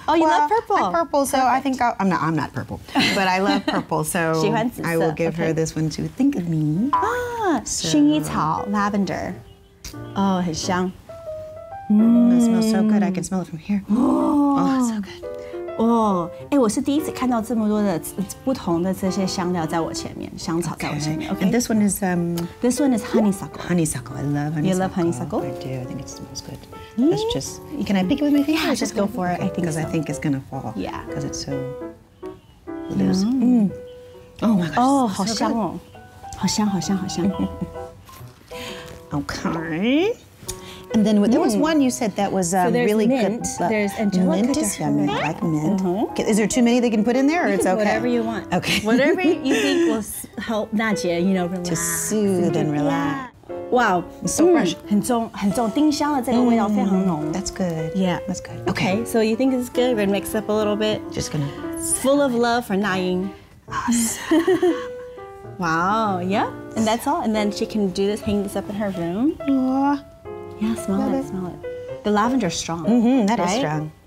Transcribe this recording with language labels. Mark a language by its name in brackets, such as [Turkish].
[English] Oh, you love purple. I'm purple, so Perfect. I think I'm not purple, but I love purple, so I will give her this one to think of me. [Chinese] Xin Yi Cao, lavender. Oh, 很香. [English] That smells so good. I can smell it from here. Oh, it's so good. [Chinese] 欸、我是第一次看到这么多的不同的这些香料在我前面，香草在我前面。 [English] Okay. And this one is honeysuckle. Honeysuckle, I love honeysuckle. You love honeysuckle? I do. I think it smells good. Let's just. Can I pick it with my finger? Yeah, just go for it. I think because I think it's gonna fall. Yeah. Because it's so loose. Mm. Oh my gosh. [Chinese] Oh, 好香哦，好香，好香，好香。 [English] Okay. And then there was one you said that was really mint, good. There's angelica. Mint is yummy. I like mint. Mm-hmm. Is there too many they can put in there, or you it's okay? Whatever you want. Okay. Whatever you think will help Nadia, you know, relax. To soothe and relax. Wow. So fresh. [Chinese] 很重很重，丁香的这个味道非常浓。 [English] That's good. Yeah. That's good. Okay. So you think it's good? We're gonna mix up a little bit. Just gonna. Full of love for Na Ying. Awesome. Wow. Yeah. And that's all. And then she can do this, hang this up in her room. Yeah. Yeah, smell it. The lavender's strong. Mm-hmm, that is strong.